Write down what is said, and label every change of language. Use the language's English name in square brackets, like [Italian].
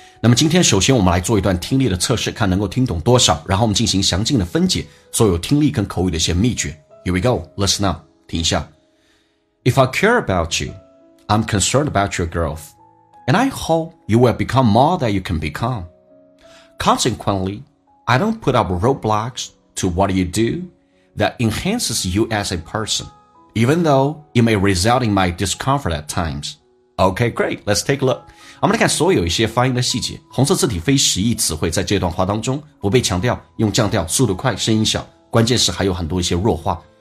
[Chinese] 那么今天首先我们来做一段听力的测试，看能够听懂多少，然后我们进行详尽的分解所有听力跟口语的一些秘诀。 [English] Here we go, listen up, [Chinese] 听一下。 [English] If I care about you, I'm concerned about your growth, and I hope you will become more than you can become. Consequently, I don't put up roadblocks to what you do that enhances you as a personEven though it may result in my discomfort at times. Okay, great, let's take a look. [Chinese] 我们来看所有一些发音的细节。红色字体非实义词汇在这段话当中不被强调，用降调，速度快，声音小，关键是还有很多一些弱化。